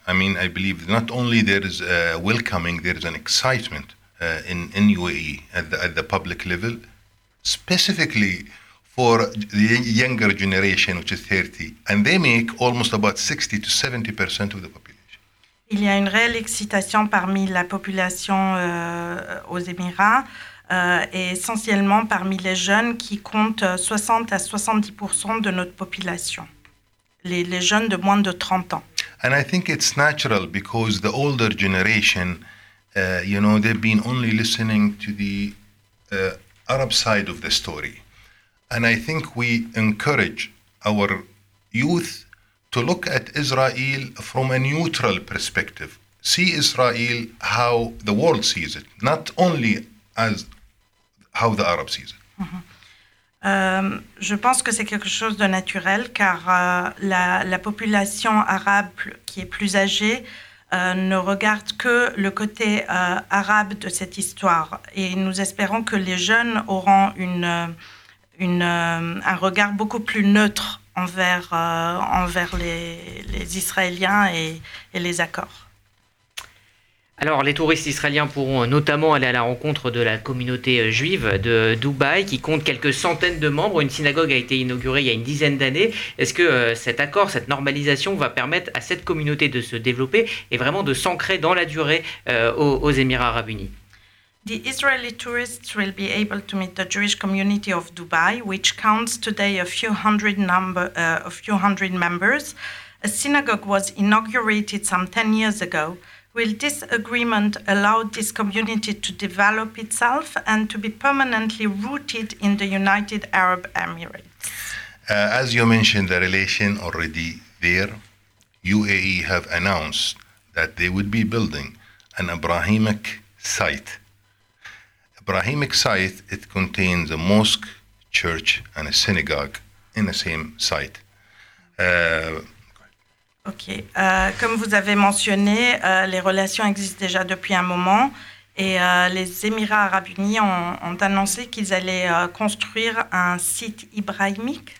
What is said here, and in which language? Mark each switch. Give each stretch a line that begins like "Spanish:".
English: I mean, I believe not only there is a welcoming, there is an excitement in UAE at the public level. specifically for the younger generation, which is 30, and they make almost about 60 to 70% of the population.
French: Il y a une réelle excitation parmi la population aux Émirats, et essentiellement parmi les jeunes qui comptent 60 à 70% de notre population, les jeunes de moins de 30 ans.
English: And I think it's natural because the older generation, you know, they've been only listening to the Arab side of the story. And I think we encourage our youth to look at Israel from a neutral perspective. See Israel how the world sees it, not only as how the Arab sees it. Mm-hmm.
French: Je pense que c'est quelque chose de naturel, car la population arabe qui est plus âgée ne regarde que le côté arabe de cette histoire. Et nous espérons que les jeunes auront un regard beaucoup plus neutre envers les Israéliens et les accords. Alors, les touristes israéliens pourront notamment aller à la rencontre de la communauté juive de Dubaï, qui compte quelques centaines de membres. Une synagogue a été inaugurée il y a une dizaine d'années. Est-ce que cet accord, cette normalisation, va permettre à cette communauté de se développer et vraiment de s'ancrer dans la durée aux Émirats arabes unis?
English: The Israeli tourists will be able to meet the Jewish community of Dubai, which counts today a few hundred members. A synagogue was inaugurated some 10 years ago. Will this agreement allow this community to develop itself and to be permanently rooted in the United Arab Emirates? As you mentioned, the relation already there. UAE have announced that they would be building an Abrahamic site. Abrahamic site, it contains a mosque, church, and a synagogue in the same site. Ok.
French: Comme vous avez mentionné, les relations existent déjà depuis un moment et les Émirats Arabes Unis ont annoncé qu'ils allaient construire un site ibrahimique,